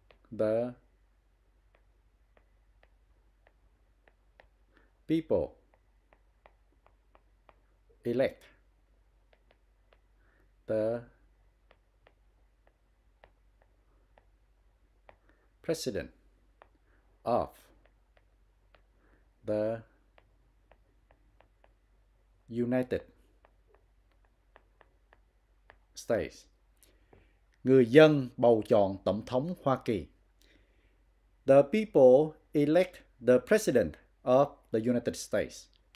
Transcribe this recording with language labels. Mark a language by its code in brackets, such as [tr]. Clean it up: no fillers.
[en] The people elect the President of the United States. [vi] Người dân bầu chọn Tổng thống Hoa Kỳ. [en] The people elect the President of the United States.